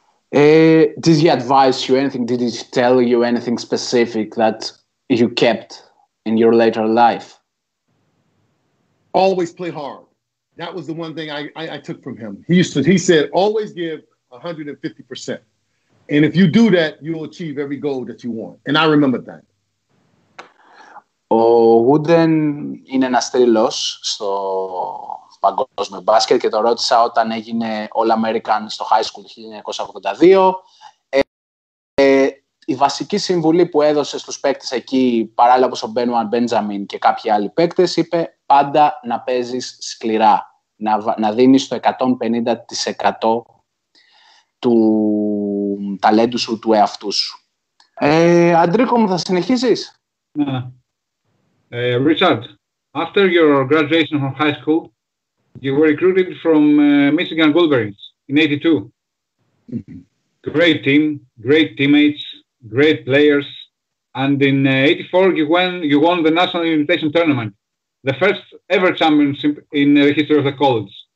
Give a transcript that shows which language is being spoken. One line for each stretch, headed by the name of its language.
English: Did he advise you anything? Did he tell you anything specific that you kept in your later life? Always play hard. That was the one thing I took from him. He said, always give 150%. And if you do that, you'll achieve every goal that you want. And I remember that.
Greek: Ο Wooden είναι ένας τρύλος στο παγκόσμιο μπάσκετ και το ρώτησα όταν έγινε All-American στο High School 1982. Η βασική συμβουλή που έδωσε στους παίκτες εκεί, παράλληλα όπως ο Μπένουαν Μπέντζαμιν και κάποιοι άλλοι παίκτες, είπε πάντα να παίζεις σκληρά, να δίνεις το 150% του ταλέντου σου, του εαυτού σου. Αντρίκο μου, θα συνεχίσεις? Ναι.
English: Richard, after your graduation from high school, you were recruited from Michigan Wolverines in 82. Mm-hmm. Great team, great teammates, great players. And in 84, you won the National Invitation Tournament, the first ever championship in the history of the college.